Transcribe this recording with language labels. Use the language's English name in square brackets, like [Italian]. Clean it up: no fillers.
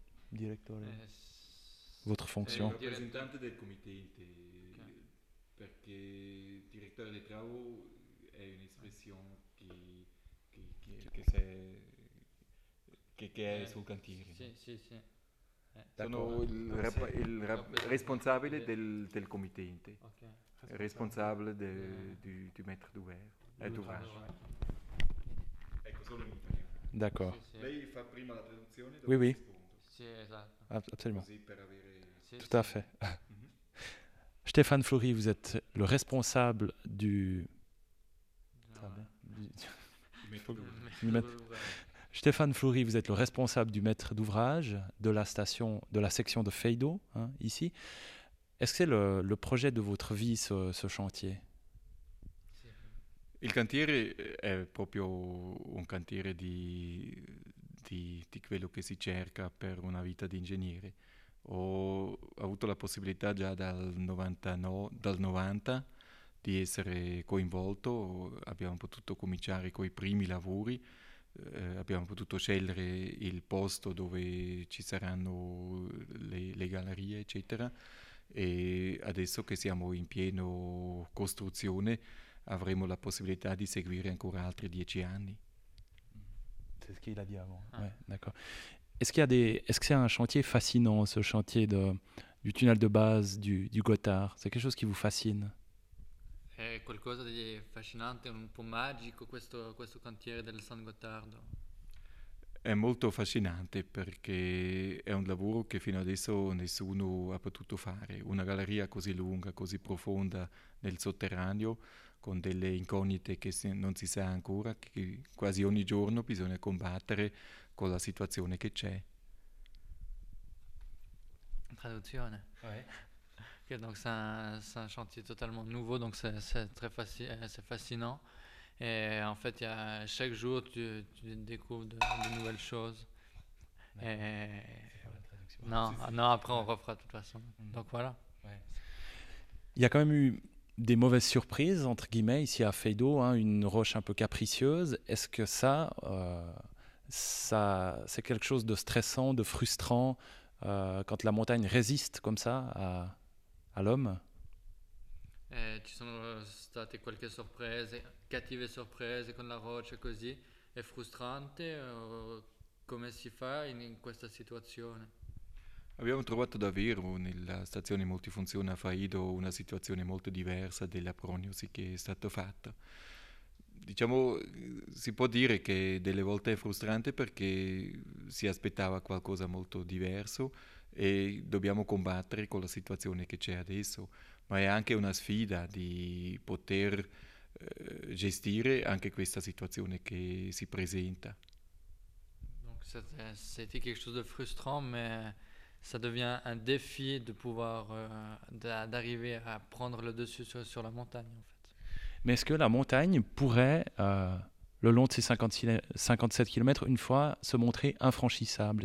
[French] Directeur. Votre C'est fonction. le représentant du comité. Parce que directeur des travaux est une expression qui est sous cantier. Si. [Italian] Sono il responsabile del comité, [French] Ok, responsabile du maître d'ouvrage. [Italian] Ecco, solo in italiano. [French] D'accord. [Italian] Sì. Lei fa prima la traduzione, [French] Oui, [Italian] rispondo. Sì, esatto. [French] Absolument. [Italian] Così per avere. [French] Tout à fait. Stéphane Fleury, vous êtes le responsable du. Très bien. Du maître d'ouvrage. Stéphane Fleury, vous êtes le responsable du maître d'ouvrage de la station, de la section de Feydeau, hein, ici. Est-ce que c'est le projet de votre vie, ce chantier? [Italian] Il cantiere è proprio un cantiere di quello che si cerca per una vita di ingegnere. Ho avuto la possibilità già dal 99, dal 90 di essere coinvolto. Abbiamo potuto cominciare con i primi lavori, abbiamo potuto scegliere il posto dove ci saranno le gallerie, eccetera. E adesso che siamo in piena costruzione, avremo la possibilità di seguire ancora altri 10 anni. [French] C'est ce qu'il a dit avant. Ouais, d'accord. Est-ce que c'est un chantier fascinant, ce chantier du tunnel de base du Gotthard? C'est quelque chose qui vous fascine? [Italian] È qualcosa di affascinante, un po' magico questo cantiere del San Gottardo. È molto affascinante perché è un lavoro che fino adesso nessuno ha potuto fare. Una galleria così lunga, così profonda nel sotterraneo, con delle incognite che non si sa ancora, che quasi ogni giorno bisogna combattere con la situazione che c'è. Traduzione. [French] Donc c'est un chantier totalement nouveau, donc c'est fascinant. Et en fait, chaque jour, tu découvres de nouvelles choses. D'accord. Et C'est pour la traduction. non, [Italian] Si, [French] non, après, on ouais. refera de toute façon. Donc voilà. Il y a quand même eu des mauvaises surprises, entre guillemets, ici à Feydeau, hein, une roche un peu capricieuse. Est-ce que ça c'est quelque chose de stressant, de frustrant, quand la montagne résiste comme ça à l'homme? [Italian] Ci sono state qualche sorprese, cattive sorprese con la roccia così, è frustrante, come si fa in questa situazione? Abbiamo trovato davvero nella stazione multifunzione a Faido una situazione molto diversa della prognosi che è stata fatta. Diciamo, si può dire che delle volte è frustrante perché si aspettava qualcosa molto diverso e dobbiamo combattere con la situazione che c'è adesso, ma è anche una sfida di poter gestire anche questa situazione che si presenta. [French] C'était quelque chose de frustrant, mais ça devient un défi de pouvoir d'arriver à prendre le dessus sur la montagne, en fait. Mais est-ce que la montagne pourrait, le long de ses 57 km, une fois, se montrer infranchissable?